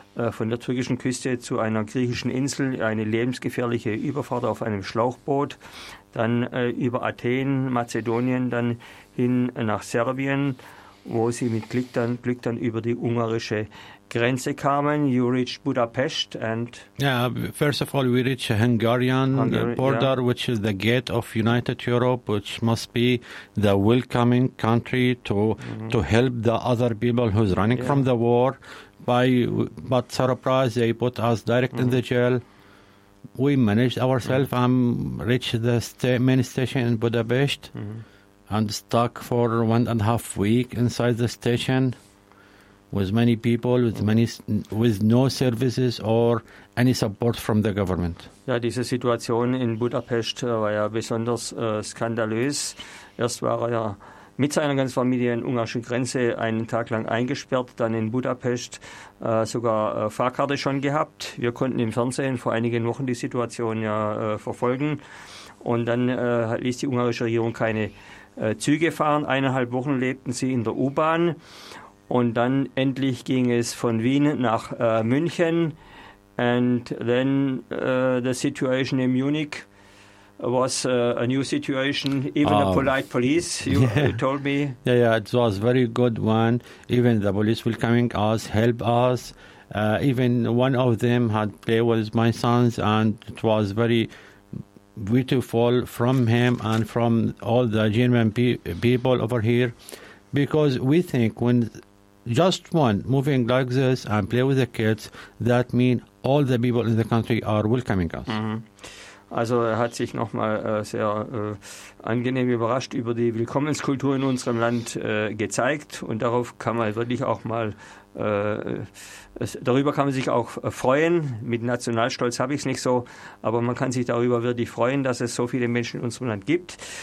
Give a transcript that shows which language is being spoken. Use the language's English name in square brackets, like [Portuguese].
[German] Von der türkischen Küste zu einer griechischen Insel, eine lebensgefährliche Überfahrt auf einem Schlauchboot, dann über Athen, Mazedonien, dann hin nach Serbien, wo sie mit Glück dann über die ungarische Grenze kamen. [English] You reached Budapest and... Yeah, first of all, we reached a Hungarian border, yeah, which is the gate of United Europe, which must be the welcoming country to help the other people who's running from the war. But surprise, they put us direct in the jail. We managed ourselves. Mm-hmm. I reached the main station in Budapest and stuck for 1.5 week inside the station with many people, with no services or any support from the government. [German] Ja, diese Situation in Budapest war ja besonders skandalös. Erst war er ja mit seiner ganzen Familie in ungarischen Grenze einen Tag lang eingesperrt, dann in Budapest sogar Fahrkarte schon gehabt. Wir konnten im Fernsehen vor einigen Wochen die Situation ja verfolgen. Und dann ließ die ungarische Regierung keine Züge fahren. 1,5 Wochen lebten sie in der U-Bahn. Und dann endlich ging es von Wien nach München. [English] And then the situation in Munich was a new situation. Even the polite police, you told me. Yeah, it was very good one. Even the police will coming us, help us. Even one of them had play with my sons, and it was very beautiful from him and from all the German people over here, because we think when just one moving like this and play with the kids, that mean all the people in the country are welcoming us. Mm-hmm. [German] Also er hat sich nochmal sehr angenehm überrascht über die Willkommenskultur in unserem Land gezeigt, und darauf kann man wirklich auch mal darüber kann man sich auch freuen. Mit Nationalstolz habe ich es nicht so, aber man kann sich darüber wirklich freuen, dass es so viele Menschen in unserem Land gibt.